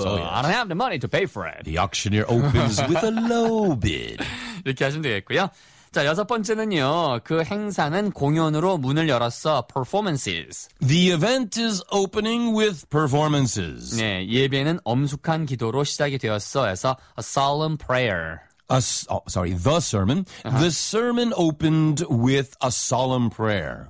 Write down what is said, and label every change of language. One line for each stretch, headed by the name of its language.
English: I don't have the money to pay for it. The auctioneer opens with a low bid.
Korean: 이렇게 하시면 되겠고요. 자, 여섯 번째는요. 그 행사는 공연으로 문을 열었어.
English: Performances. The event is opening with performances.
Korean: 네, 예배는 엄숙한 기도로 시작이 되었어.
English: 그래서 a solemn prayer. The sermon. Uh-huh. The sermon opened with a solemn prayer.